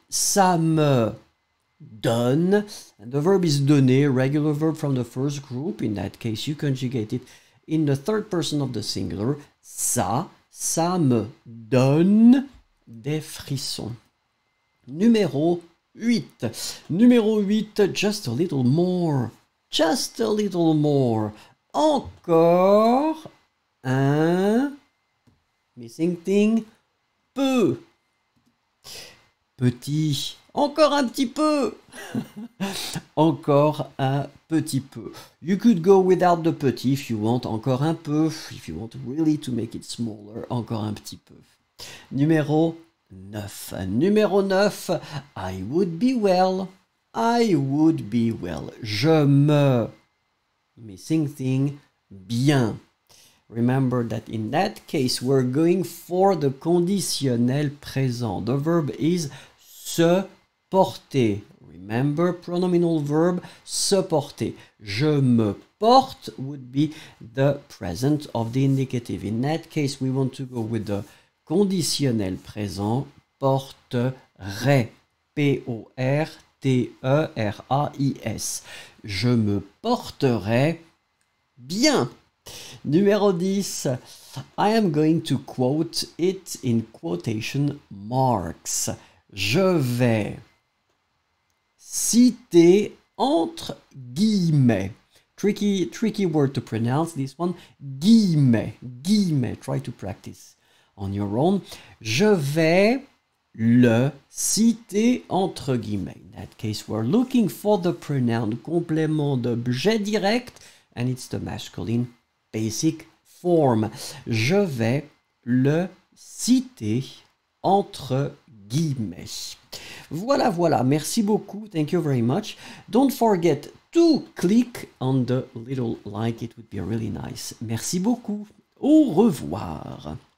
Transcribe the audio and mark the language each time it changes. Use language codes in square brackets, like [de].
[fr] Ça me donne, [en] and the verb is donner, regular verb from the first group. In that case, you conjugate it in the third person of the singular. [fr] Ça. Ça me donne des frissons. Numéro 8. Numéro 8, [en] just a little more. Just a little more. [fr] Encore un, [en] missing thing, [fr] peu. Petit, encore un petit peu. Encore un petit peu. [en] You could go without the petit if you want. [fr] Encore un peu. [en] If you want really to make it smaller. [fr] Encore un petit peu. Numéro 9. Numéro 9. [en] I would be well. I would be well. [fr] Je me. [en] Missing thing. [fr] Bien. [en] Remember that in that case, we're going for the conditionnel présent. The verb is se porter. Remember, pronominal verb, se porter. [fr] Je me porte [en] would be the present of the indicative. In that case, we want to go with the conditionnel présent. [fr] Porterai. P-O-R-T-E-R-A-I-S. Je me porterai bien. Numéro 10. [en] I am going to quote it in quotation marks. [fr] Je vais citer entre guillemets. [en] Tricky word to pronounce this one. Guillemets. Guillemets. Try to practice on your own. [fr] Je vais le citer entre guillemets. [en] In that case, we're looking for the pronoun complément d'objet direct. And it's the masculine basic form. [fr] Je vais le citer entre guillemets. Voilà, voilà. Merci beaucoup. [en] Thank you very much. Don't forget to click on the little like. It would be really nice. [fr] Merci beaucoup. Au revoir.